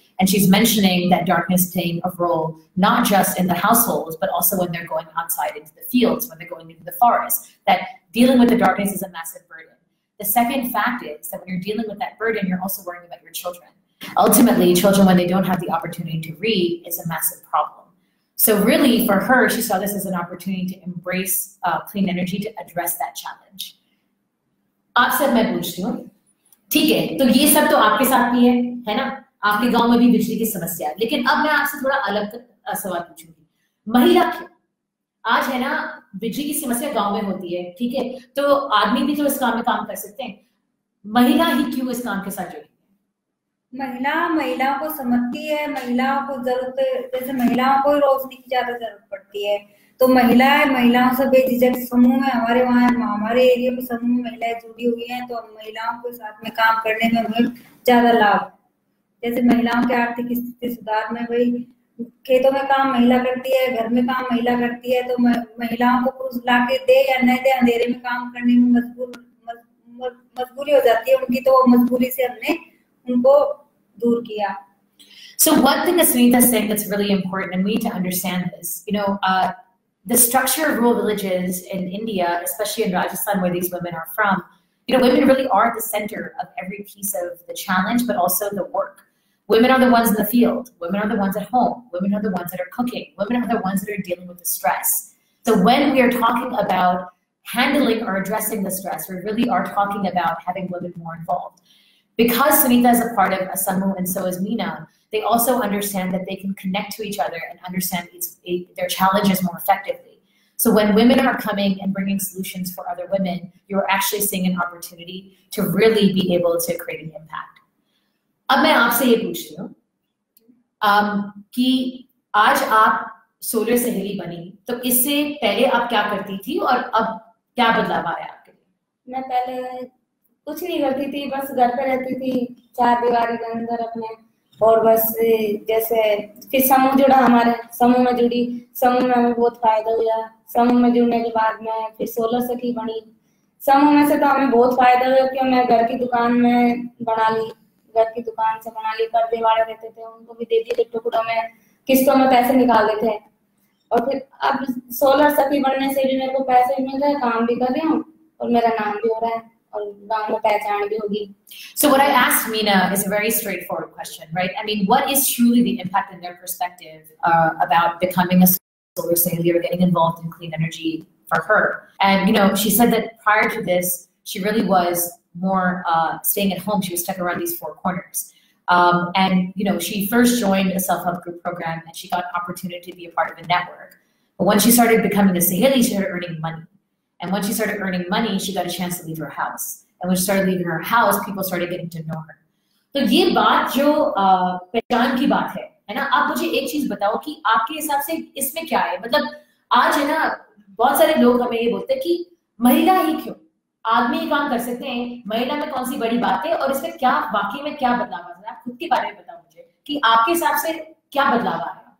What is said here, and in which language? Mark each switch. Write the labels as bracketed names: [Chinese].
[English] And she's mentioning that darkness playing a role not just in the households, but also when they're going outside into the fields, when they're going into the forest, that dealing with the darkness is a massive burden. The second fact is that when you're dealing with that burden, you're also worrying about your children. Ultimately, children, when they don't have the opportunity to read, is a massive problem. So really, for her, she saw this as an opportunity to embrace clean energy to address that challenge. [Hindi] आप से मैं पूछती हूँ, ठीक है, तो ये सब तो आपके साथ भी है ना? आपके गांव में भी बिजली की समस्या है. लेकिन अब मैं आपसे थोड़ा अलग सवाल पूछूंगी, महिला क्यों? आज है ना बिजली की समस्या गांव में होती है, ठीक है, तो आदमी भी तो इस काम में काम कर सकते हैं, महिला ही क्यों इस काम के साथ जुड़ी? महिला महिलाओं को समझती है, महिलाओं को जरूरत, जैसे महिलाओं को रोशनी की ज्यादा जरूरत पड़ती है तो महिलाएं महिलाओं से बेझिझक समूह में हमारे वहाँ हमारे एरिया में समूह में महिलाएं जुड़ी हुई हैं. तो महिलाओं के साथ में काम करने में हमें ज्यादा लाभ, जैसे महिलाओं के आर्थिक स्थिति सुधार में, भाई खेतों में काम महिला करती है, घर में काम महिला करती है, तो महिलाओं को पुरुष ला के दे या न दे अंधेरे में काम करने में मजबूरी हो जाती है उनकी, तो मजबूरी से हमने उनको दूर किया. [English] So one thing that Sunita is saying that's really important, and we need to understand this, you know, the structure of rural villages in India, especially in Rajasthan where these women are from, you know, women really are at the center of every piece of the challenge, but also the work. Women are the ones in the field. Women are the ones at home. Women are the ones that are cooking. Women are the ones that are dealing with the stress. So when we are talking about handling or addressing the stress, we really are talking about having women more involved. Because Sunita is a part of Asamu and so is Mina, they also understand that they can connect to each other and understand their challenges more effectively. So when women are coming and bringing solutions for other women, you're actually seeing an opportunity to really be able to create an impact. [Hindi] अब मैं आपसे ये पूछ रही हूँ कि आज आप सोलर सहेली बनी तो इससे पहले आप क्या करती थी और अब क्या बदलाव आया आपके लिए? मैं पहले कुछ नहीं करती थी, बस घर पर रहती थी चार दीवारी के अंदर अपने, और बस जैसे फिर समूह जुड़ा हमारे, समूह में जुड़ी, समूह में हमें बहुत फायदा हुआ. समूह में जुड़ने के बाद मैं फिर सोलर सखी बनी. समूह में से तो हमें बहुत फायदा हुआ क्योंकि मैं घर की दुकान में बना ली, घर की दुकान से बना ली, पर दीवारे रहते थे उनको भी दे दी थी टुकड़ों में, किस्तों में पैसे निकाले थे. और फिर अब सोलर सखी बनने से भी मेरे को पैसे भी मिल रहे, काम भी कर रही हूँ और मेरा नाम भी हो रहा है. [English] So what I asked Mina is a very straightforward question, right? I mean, what is truly the impact in their perspective about becoming a solar sahili or getting involved in clean energy for her? And, you know, she said that prior to this, she really was more staying at home. She was stuck around these four corners. And, you know, she first joined a self-help group program and she got an opportunity to be a part of a network. But when she started becoming a sahili, she started earning money. And when she started earning money, she got a chance to leave her house. And when she started leaving her house, people started getting to know her. [Hindi] तो ये बात जो पहचान की बात है, है ना? आप मुझे एक चीज बताओ कि आपके हिसाब से इसमें क्या है? मतलब आज है ना बहुत सारे लोग हमें ये बोलते हैं कि महिला ही क्यों, आदमी ही काम कर सकते हैं, महिला में कौन सी बड़ी बात है और इसमें क्या वाकई में क्या बदलाव आ रहा है? आप खुद के बारे में बताओ मुझे कि आपके हिसाब से क्या बदलाव आ रहा है.